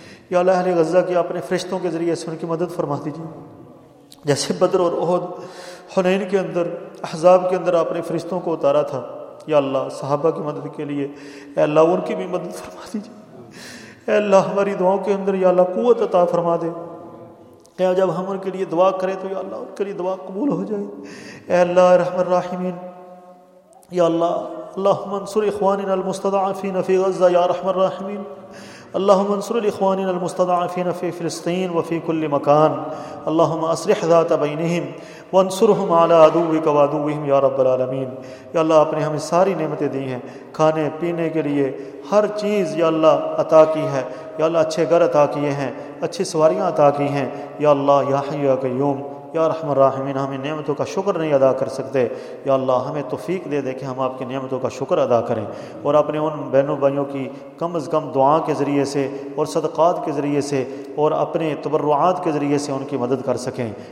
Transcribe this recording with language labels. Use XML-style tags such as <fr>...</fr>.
<ur>یا اللہ اہل غزہ کی اپنے فرشتوں کے ذریعے سے ان کی مدد فرما دیجیے، جیسے بدر اور احد، حنین کے اندر، احزاب کے اندر اپنے فرشتوں کو اتارا تھا. یا اللہ صحابہ کی مدد کے لیے اے اللہ ان کی بھی مدد فرما دیجیے. اے اللہ ہماری دعاؤں کے اندر یا اللہ قوت عطا فرما دے، یا جب ہم ان کے لیے دعا کریں تو یا اللہ ان کے لیے دعا قبول ہو جائے.</ur> <ar>اے اللہ رحم الرحمین، یا اللہ اللهم انصر اخواننا المستضعفين في غزه يا رحم الراحمين، اللهم انصر اخواننا المستضعفين في فلسطين وفي كل مكان، اللهم اصلح ذات بينهم وانصرهم على عدوك وعدوهم يا رب العالمين.</ar> <ur>يا الله آپ نے ہمیں ساری نعمتیں دی ہیں، کھانے پینے کے لیے ہر چیز یا اللہ عطا کی ہے، یا اللہ اچھے گھر عطا کیے ہیں، اچھی سواریاں عطا کی ہیں. یا اللہ یا حی یا قیوم یا رحم الراحمین، ہم ان نعمتوں کا شکر نہیں ادا کر سکتے. یا اللہ ہمیں توفیق دے دے کہ ہم آپ کی نعمتوں کا شکر ادا کریں، اور اپنے ان بہنوں بھائیوں کی کم از کم دعا کے ذریعے سے اور صدقات کے ذریعے سے اور اپنے تبرعات کے ذریعے سے ان کی مدد کر سکیں.</ur>